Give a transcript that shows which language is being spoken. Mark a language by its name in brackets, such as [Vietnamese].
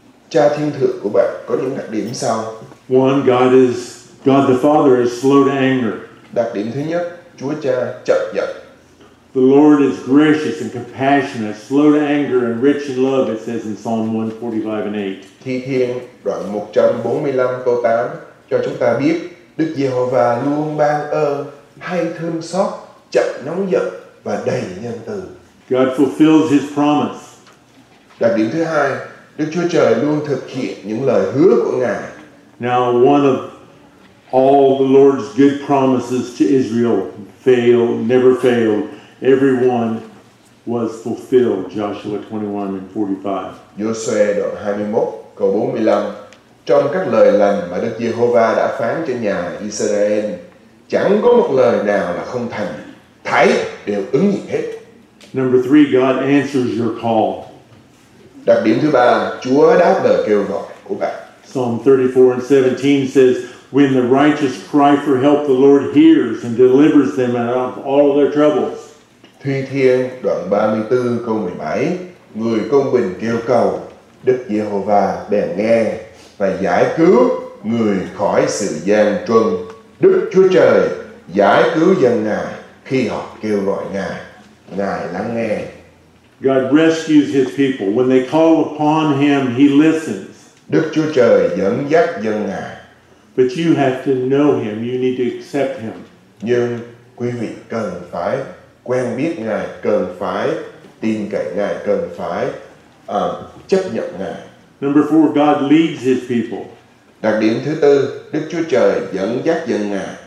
[Vietnamese] Cha thiên thượng của bạn có những đặc điểm sau. [English] One, God the Father is slow to anger. [Vietnamese] Đặc điểm thứ nhất, Chúa Cha chậm giận. [English] The Lord is gracious and compassionate, slow to anger and rich in love, it says in Psalm 145 and 8. [Vietnamese] Thi thiên đoạn 145 câu 8 cho chúng ta biết Đức Giê-hô-va luôn ban ơn, hay thương xót, chậm nóng giận và đầy nhân từ. [English] God fulfills his promise. [Vietnamese] Đặc điểm thứ hai, Đức Chúa Trời luôn thực hiện những lời hứa của Ngài. [English] Now one of all the Lord's good promises to Israel never failed. Everyone was fulfilled, Joshua 21 and 45. [Vietnamese] Joshua 21, câu 45. Trong các lời lành mà Đức Giê-hô-va đã phán cho nhà Israel, chẳng có một lời nào là không thành. Thảy đều ứng nghiệm hết. [English] Number three, God answers your call. [Vietnamese] Đặc điểm thứ ba, Chúa đáp lời kêu gọi của bạn. [English] Psalm 34 and 17 says, when the righteous cry for help, the Lord hears and delivers them out of all of their troubles. [Vietnamese] Thi Thiên đoạn 34 câu 17, người công bình kêu cầu, Đức Giê-hô-va bèn nghe và giải cứu người khỏi sự gian truân. Đức Chúa Trời giải cứu dân Ngài khi họ kêu gọi Ngài, Ngài lắng nghe. [English] God rescues his people. When they call upon him, he listens. [Vietnamese] Đức Chúa Trời dẫn dắt dân Ngài. [English] But you have to know him. You need to accept him. [Vietnamese] Nhưng quý vị cần phải quen biết Ngài, cần phải tin cậy Ngài, cần phải chấp nhận Ngài. [English] Number four, God leads his people. [Vietnamese] Đặc điểm thứ tư, Đức Chúa Trời dẫn dắt dân Ngài.